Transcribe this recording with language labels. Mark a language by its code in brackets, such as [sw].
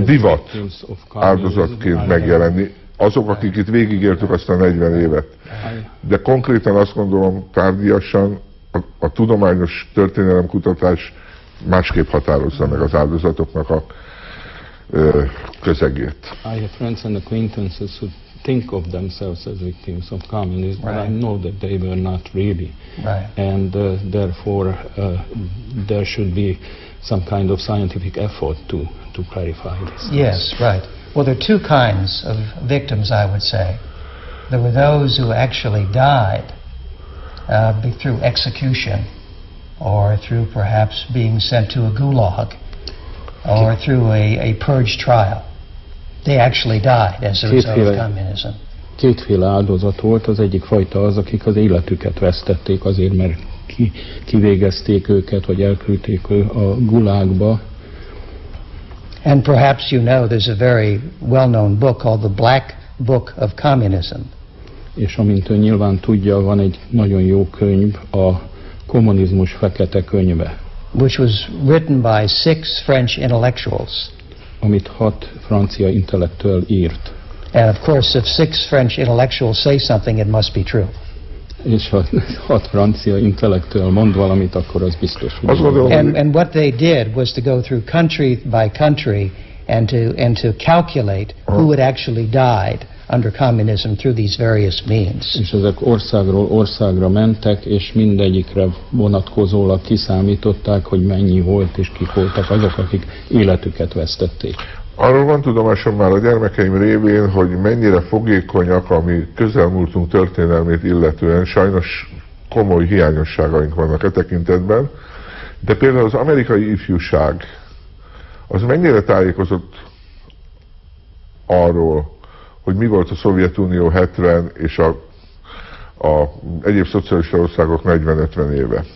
[hu] divat áldozatként megjelenni. Azok, akik itt végigéltük azt a 40 évet. De konkrétan azt gondolom, tárgyiasan a tudományos történelemkutatás másképp határozza meg az áldozatoknak a közegét. [en] I have friends and acquaintances who think of themselves as victims of communism, right. But I know that they were not really. Right. And therefore there should be some kind of scientific effort to clarify this. Yes, right. Well, there are two kinds of victims, I would say. There were those who actually died through execution, or through perhaps being sent to a gulag, or through a purge trial. They actually died as a result of communism. [hu] Kétféle áldozat volt, az egyik fajta az, akik az életüket vesztették azért, mert kivégezték őket, vagy elküldték a gulagba. [en] And perhaps you know there's a very well-known book called The Black Book of Communism. [hu] És amint ön nyilván tudja, van egy nagyon jó könyv, a kommunizmus fekete könyve. [en] Which was written by six French intellectuals. [hu] Amit hat francia intellektuál írt. [en] And of course, if six French intellectuals say something, it must be true. [hu] És ha hat francia intellektuál mond valamit, akkor az biztos. [en] And what they did was to go through country by country and to calculate who had actually died under communism through these various means. [hu] És ezek országról országra mentek, és mindegyikre vonatkozólag kiszámították, hogy mennyi volt és kik voltak azok, akik életüket vesztették. Arról van tudomásom már a gyermekeim révén, hogy mennyire fogékonyak a mi közelmúltunk történelmét illetően, sajnos komoly hiányosságaink vannak e tekintetben, de például az amerikai ifjúság, az mennyire tájékozott arról, hogy mi volt a Szovjetunió 70 és a egyéb szocialista országok 40-50 éve.